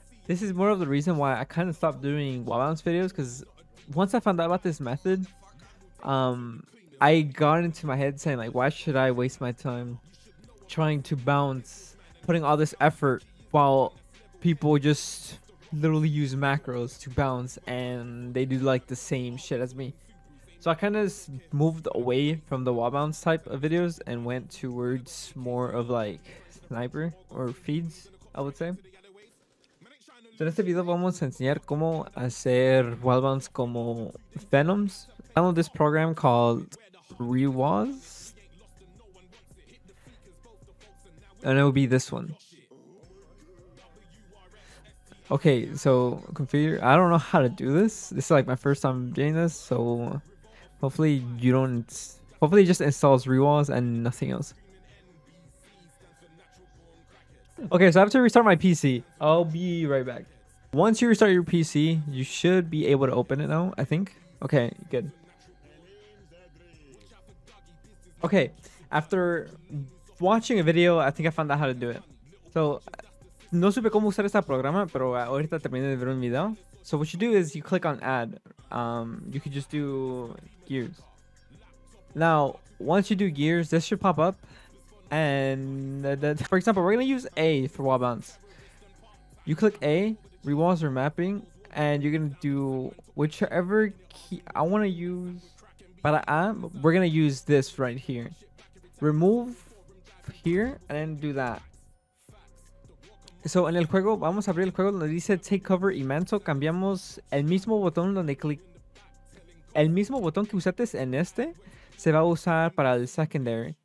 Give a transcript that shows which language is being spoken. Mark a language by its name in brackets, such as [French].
[English] This is more of the reason why I kind of stopped doing wall bounce videos, because once I found out about this method, I got into my head saying, like, why should I waste my time trying to bounce, putting all this effort while people just literally use macros to bounce and they do like the same shit as me. So I kind of moved away from the wall bounce type of videos and went towards more of like sniper or feeds, I would say. [Spanish] So en este video vamos a enseñar cómo hacer wall bounce como Phantoms. [English] I found this program called Rewaz, and it will be this one. Okay, so configure. I don't know how to do this. This is like my first time doing this, so hopefully you don't. Hopefully it just installs Rewaz and nothing else. Okay, so I have to restart my PC. I'll be right back. Once you restart your PC, you should be able to open it now, I think. Okay, good. Okay, after watching a video, I think I found out how to do it. [Spanish] So, no supe cómo usar este programa, pero ahorita terminé de ver un video. [English] So what you do is you click on add. You could just do gears. Now, once you do gears, this should pop up. And for example, we're going to use A for wall bounce. You click A, rewalls are mapping, and you're going to do whichever key I want to use. But we're going to use this right here. Remove here and then do that. [Spanish] So en el juego, vamos a abrir el juego donde dice take cover y manto. Cambiamos el mismo botón donde clic. El mismo botón que usaste en este se va a usar para el secondary.